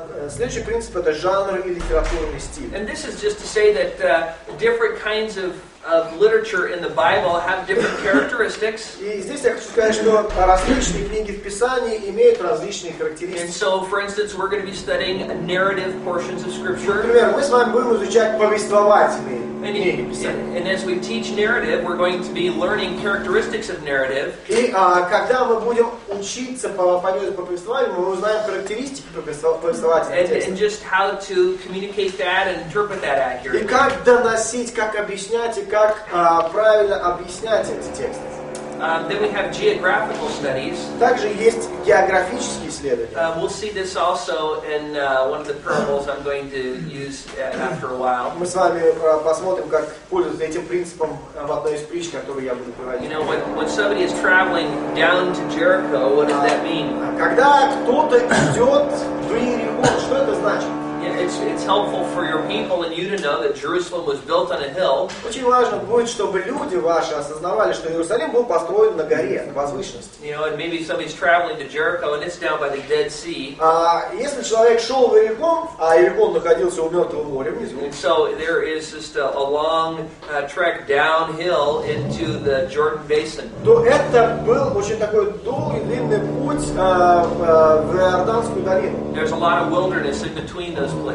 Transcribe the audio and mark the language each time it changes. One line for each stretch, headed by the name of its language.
Russian: Следующий принцип — это жанр и литературный стиль.
English: And this is just to say that different kinds of of literature in the Bible have different characteristics.
Russian: И здесь я хочу сказать, что различные книги в Писании имеют различные характеристики.
English: And so, for instance, we're going to be studying narrative portions of Scripture.
Russian: Например, мы с вами будем изучать повествовательные книги Писания.
English: And as we teach narrative, we're going to be learning characteristics of narrative.
Russian: И когда мы будем учиться по повествованию, мы узнаем характеристики повествовательных текстов.
English: And just how to communicate that and interpret that accurately.
Russian: И как доносить, как объяснять и как правильно объяснять эти тексты.
English: Then we have geographical studies.
Russian: Также есть географические исследования.
English: We'll see this also in one of the parables I'm going to use after a while.
Russian: Мы с вами посмотрим, как пользуются этим принципом в одной из притч, которую я буду приводить.
English: You know, when somebody is traveling down to Jericho, what does that mean?
Russian: Когда кто-то идет в Иерихон, что это значит?
English: It's helpful for your people and you to know that Jerusalem was built on a hill.
Russian: Очень важно будет, чтобы люди ваши осознавали, что Иерусалим был построен на горе, на возвышенности.
English: You know, and maybe somebody's traveling to Jericho and it's down by the Dead Sea.
Russian: Если человек шел в Иерихон, а Иерихон находился у Мертвого моря внизу.
English: And so there is just a long trek downhill into the Jordan Basin.
Russian: То это был очень такой долгий, длинный путь в Иорданскую долину.
English: There's a lot of wilderness in between those.